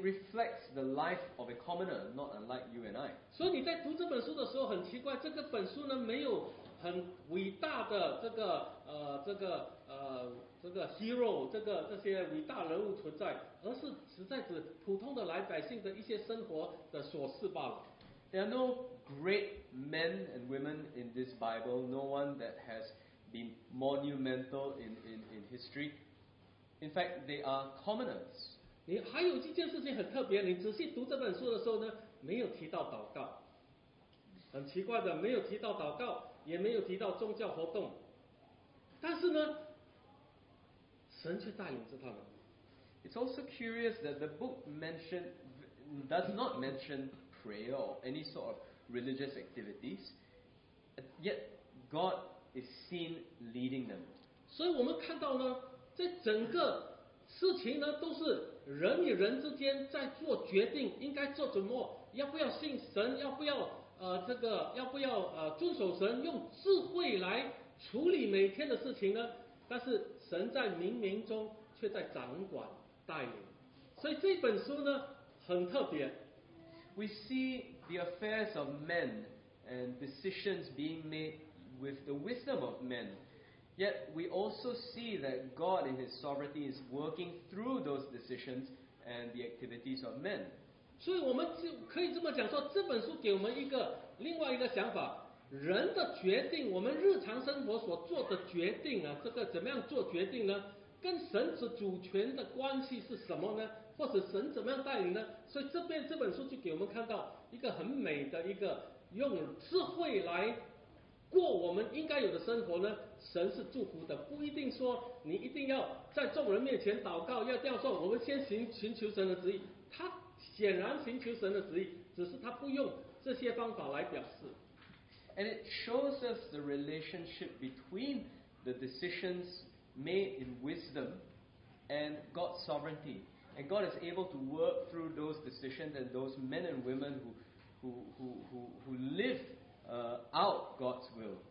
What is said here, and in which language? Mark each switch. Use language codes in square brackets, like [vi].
[en] reflects the life of a commoner, not unlike you and I. [zh] 所以你在读这本书的时候很奇怪，这个本书呢没有很伟大的这个 [en] hero， [zh] 这些伟大人物存在，而是实在是普通的来百姓的一些生活的琐事罢了。 [en] There are no great men and women in this Bible, no one that has been monumental in history. In fact, they are commoners. [zh] 你还有一件事情很特别，你仔细读这本书的时候呢，没有提到祷告，很奇怪的，没有提到祷告，也没有提到宗教活动，但是呢，神却带领着他们。 [en] It's also curious that the book does not mention prayer or any sort of religious activities, yet God is seen leading them. [zh] 所以我们看到呢，在整个事情呢，都是人与人之间在做决定，应该做什么，要不要信神，要不要要不要遵守神，用智慧来处理每天的事情呢？但是神在冥冥中却在掌管带领，所以这本书呢很特别。 [en] We see the affairs of men and decisions being made with the wisdom of men. Yet we also see that God in His sovereignty is working through those decisions and the activities of men. [zh] 所以我们可以这么讲说，这本书给我们一个另外一个想法，人的决定，我们日常生活所做的决定啊，这个怎么样做决定呢？跟神子主权的关系是什么呢？或者神怎么样带领呢？所以这本书就给我们看到一个很美的一个用智慧来过我们应该有的生活呢，神是祝福的，不一定说你一定要在众人面前祷告，要掉说我们先寻求神的旨意，他显然寻求神的旨意，只是他不用这些方法来表示。 [en] And it shows us the relationship between the decisions made in wisdom and God's sovereignty, and God is able to work through those decisions and those men and women who liveout God's will.